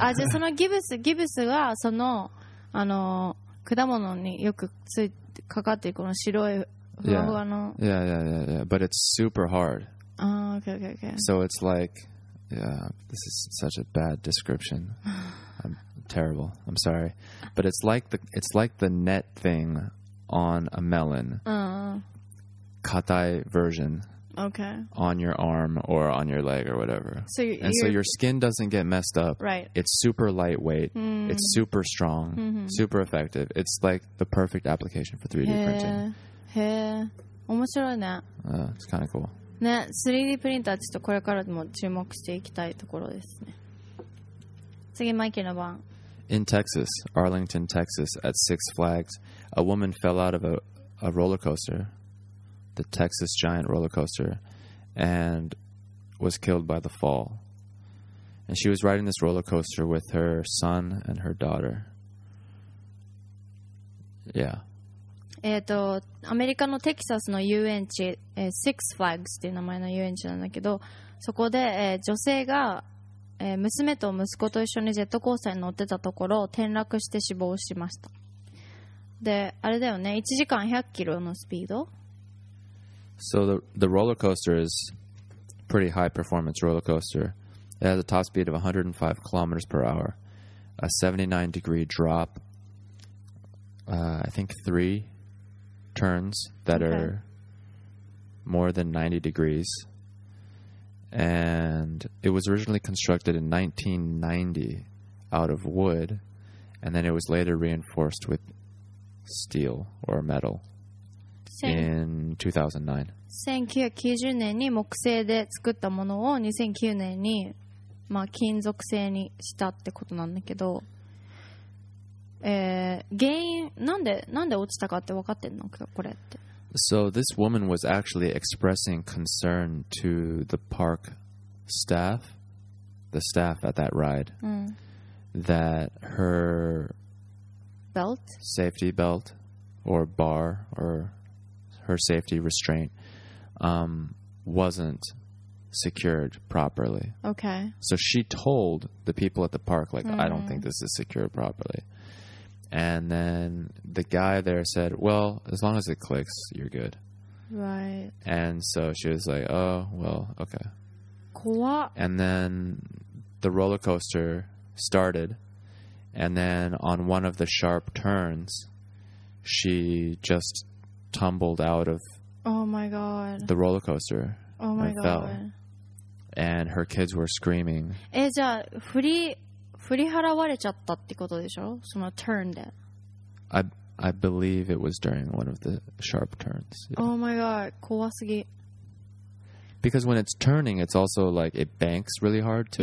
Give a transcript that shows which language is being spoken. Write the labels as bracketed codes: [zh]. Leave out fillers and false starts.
[ja] そのギブスがその、あの、果物によくついかかってるこの白いふわふわの。 [en] Yeah. But it's super hard. Okay. So it's like...Yeah, this is such a bad description. I'm terrible. I'm sorry. But it's like the net thing on a melon. Katai version. Okay. On your arm or on your leg or whatever. So you're, and so your skin doesn't get messed up. Right. It's super lightweight. Mm. It's super strong. Mm-hmm. Super effective. It's like the perfect application for 3D printing. Yeah. It's kind of cool. [ja] ね、3D プリンターちょっとこれからも注目していきたいところですね。次、マイケルの番。 [en] In Texas, Arlington, Texas, at Six Flags, a woman fell out of a roller coaster, the Texas Giant roller coaster, and was killed by the fall. And she was riding this roller coaster with her son and her daughter. Yeah. [ja] アメリカのテキサスの遊園地、Six Flags っていう名前の遊園地なんだけど、そこで、女性が、娘と息子と一緒にジェットコースターに乗ってたところ転落して死亡しました。であれだよね、1時間100キロのスピード。 [en] So the roller coaster is pretty high performance roller coaster. It has a top speed of 105 kilometers per hour, a 79 degree drop, I think 3turns that are more than 90 degrees, and it was originally constructed in 1990 out of wood, and then it was later reinforced with steel or metal in 2009. [ja] 1990年に木製で作ったものを2009年に、まあ、金属製にしたってことなんだけど、原因なんで落ちたかって分かってんのこれって。 [en] So this woman was actually expressing concern to the park staff, the staff at that ride, that her belt, safety belt, or bar, or her safety restraint, wasn't secured properly. Okay. So she told the people at the park, like, I don't think this is secured properly. And then the guy there said, well, as long as it clicks, you're good. Right. And so she was like, oh, well, okay. [ja] 怖っ。 [en] And then the roller coaster started. And then on one of the sharp turns, she just tumbled out of the roller coaster. Oh, my God. Fell. And her kids were screaming. [ja] じゃあ、振り払われちゃったってことでしょ？その turn で。 [en] I believe it was during one of the sharp turns. Oh my god, [ja] 怖すぎ。 [en] Because when it's turning, it's also like it banks really hard too.